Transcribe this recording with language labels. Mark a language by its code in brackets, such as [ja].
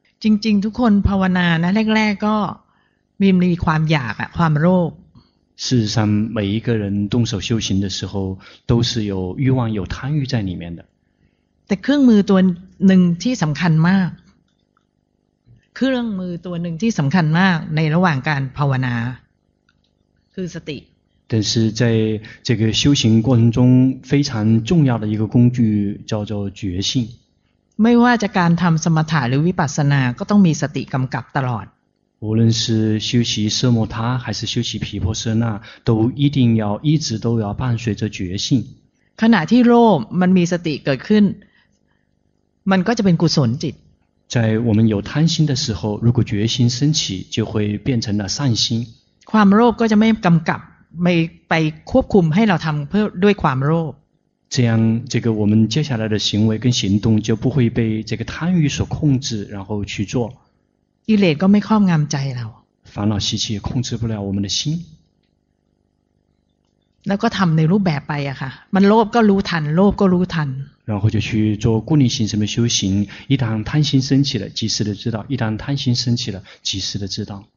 [th] จริงๆทุกคนภาวนานะแรกๆก็มีความอยากอะความโลภ [zh] 事实上，每一个人动手修行的时候，都是有欲望、有贪欲在里面的。 [th] แต่เครื่องมือตัวหนึ่งที่สำคัญมาก，เครื่องมือตัวหนึ่งที่สำคัญมากในระหว่างการภาวนา，คือสติ。 [zh] 但是在这个修行过程中，非常重要的一个工具叫做觉性。 [th] ไม่ว่าจะการทำสมถะหรือวิปัสสนาก็ต้องมีสติกำกับตลอด。 [zh] 无论是修习奢摩他还是修习毗婆舍那，都一定要一直都要伴随着觉性。 [th] ขณะที่โลภมันมีสติเกิดขึ้นมันก็จะเป็นกุศลจิต。 [zh] 在我们有贪心的时候，如果觉心升起，就会变成了善心。 [th] ความโลภก็จะไม่กำกับไม่ไปควบคุมให้เราทำเพื่อด้วยความโลภ。 [zh] 这样，这个我们接下来的行为跟行动就不会被这个贪欲所控制，然后去做。 [th] กิเลสก็ไม่ครอบงำใจเรา [zh] 烦恼习气也控制不了我们的心 [th] แล้วก็ทำในรูปแบบไปอะค่ะมันโลภก็รู้ทันโลภก็รู้ทัน [zh] 然后就去做固定行什么修行一旦贪心升起了及时的知道一旦贪心升起了及时的知道